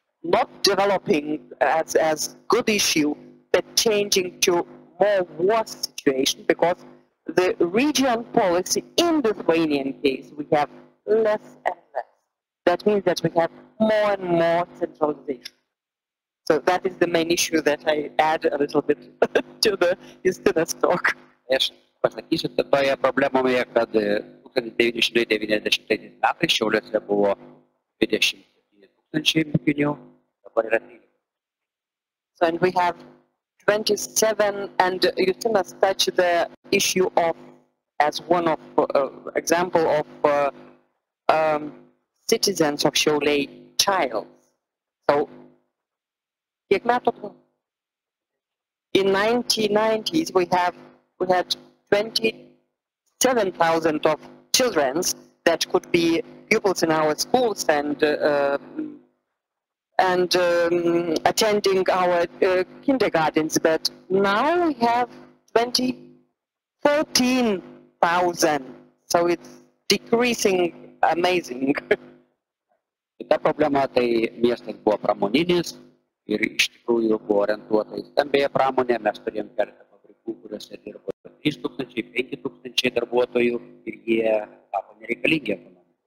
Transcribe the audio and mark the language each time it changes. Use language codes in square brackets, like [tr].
[en] Not developing as good issue, but changing to more worse situation, because the region policy in the Lithuanian case, we have less and less. That means that we have more and more centralization. So that is the main issue that I add a little bit to the Justinas talk. Yes. [lt] Pasakysiu, kad toje problemoje, kad 1992-1993 metais Šiauliuose buvo 27 tūkstančiai mokinių, dabar yra 13. [en] So and we have 27, and Justinas touched the issue of, as one of example of citizens of Šiauliai child. So, [lt] kiek metų? [en] In 1990s we had 27,000 of children that could be pupils in our schools and attending our kindergartens, but now we have 14,000, so it's decreasing amazing. [lt] Kita problema, tai miestas buvo pramoninis ir iš tikrųjų buvo orientuota į stambėją pramonę, mes turėjom kertą fabrikų, kuriuose dirbo 3,000, 5,000 darbuotojų ir jie tapo nereikalingi ekonomikai.